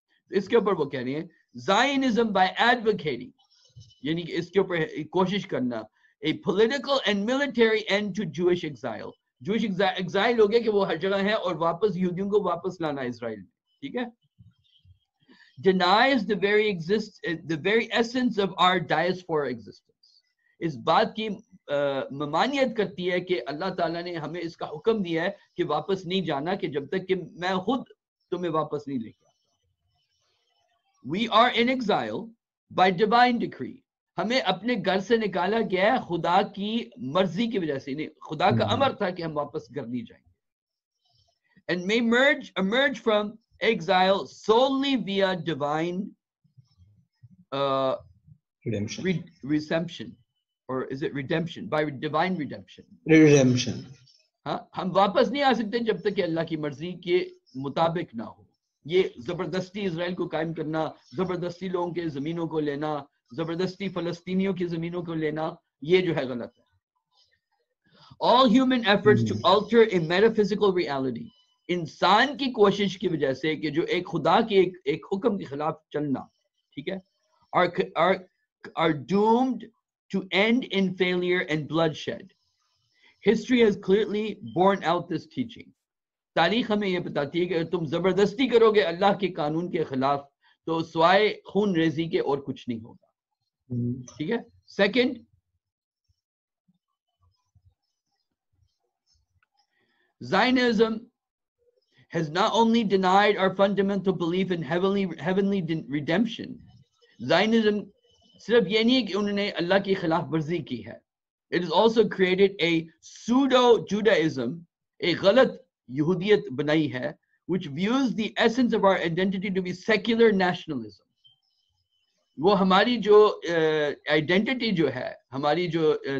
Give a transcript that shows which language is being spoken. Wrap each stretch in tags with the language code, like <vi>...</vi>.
<ur>اس کے اوپر وہ کہہ رہے ہیں</ur> <en>Zionism by advocating,</en> <ur>یعنی کہ اس کے اوپر کوشش کرنا,</ur> <en>a political and military end to Jewish exile.</en> <ur>Jewish exile ہو گیا کہ وہ ہر جگہ ہیں, اور واپس یہودیوں کو واپس لانا اسرائیل میں, ٹھیک ہے.</ur> <en>Denies the very exist, the very essence of our diaspora existence.</en> <ur>اس بات کی ممانعت کرتی ہے کہ اللہ تعالیٰ نے ہمیں اس کا حکم دیا ہے کہ واپس نہیں جانا, کہ جب تک کہ میں خود تمہیں واپس نہیں لے کے آتا.</ur> <en>We are in exile by divine decree.</en> <ur>ہمیں اپنے گھر سے نکالا گیا ہے خدا کی مرضی کی وجہ سے, خدا کا امر تھا کہ ہم واپس گھر نہیں جائیں گے.</ur> <en>And may emerge from exile solely via divine redemption. Or is it redemption? By divine redemption. Redemption.</en> <ur>ہم واپس نہیں آ سکتے جب تک کہ اللہ کی مرضی کے مطابق نہ ہو. یہ زبردستی اسرائیل کو قائم کرنا, زبردستی لوگوں کے زمینوں کو لینا, زبردستی فلسطینیوں کی زمینوں کو لینا, یہ جو ہے غلط ہے.</ur> <en>All human efforts to alter a metaphysical reality,</en> <ur>انسان کی کوشش کی وجہ سے کہ جو ایک خدا کے ایک حکم کے خلاف چلنا, ٹھیک ہے,</ur> <en>are doomed to end in failure and bloodshed. History has clearly borne out this teaching.</en> <ur>تاریخ ہمیں یہ بتاتی ہے کہ اگر تم زبردستی کرو گے اللہ کے قانون کے خلاف تو سوائے خون ریزی کے اور کچھ نہیں ہوگا. ٹھیک ہے.</ur> <en>Second, Zionism has not only denied our fundamental belief in heavenly redemption.</en> <ur>Zionism صرف یہ نہیں ہے کہ انہوں نے اللہ کی خلاف ورزی کی ہے.</ur> <en>It has also created a pseudo-Judaism, a</en> <ur>غلط یہودیت بنائی ہے,</ur> <en>which views the essence of our identity to be secular nationalism.</en> <ur>وہ ہماری جو identity جو ہے, ہماری جو</ur>